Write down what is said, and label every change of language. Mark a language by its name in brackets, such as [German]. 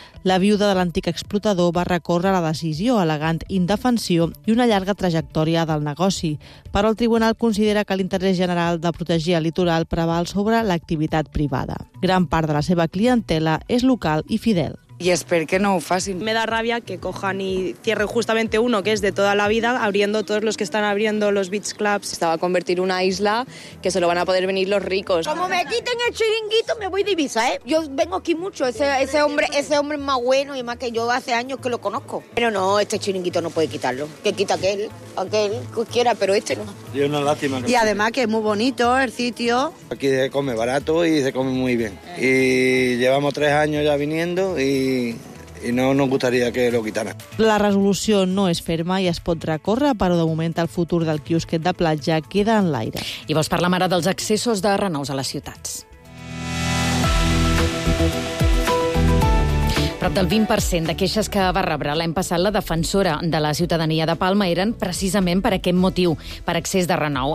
[Catalan] La viuda de l'antic explotador va recórrer la decisió al·legant indefensió i una llarga trajectòria del negoci, però el tribunal considera que l'interès general de protegir el litoral preval sobre l'activitat privada. Gran part de la seva clientela és local i fidel. [Spanish] Y espero que no lo hagan. Me da rabia que cojan y cierren justamente uno que es de toda la vida, abriendo todos los que están abriendo los beach clubs. Estaba a convertir una isla que se lo van a poder venir los ricos. Como me quiten el chiringuito, me voy de Ibiza, ¿eh? Yo vengo aquí mucho, ese hombre es más bueno y más que yo hace años que lo conozco. Pero no, este chiringuito no puede quitarlo. Que quita aquel, cualquiera, pero este no. Y es una lástima. Y además que es muy bonito el sitio. Aquí se come barato y se come muy bien. Y llevamos 3 años ya viniendo y no nos gustaría que lo quitaran. [Catalan] La resolució no és ferma i es pot recórrer, però de moment el futur del quiosquet de platja queda en l'aire. I vols parlar ara dels accessos de renous a les ciutats. Prop del 20% de queixes que va rebre l'any passat la defensora de la ciutadania de Palma eren precisament per aquest motiu, per excés de renou.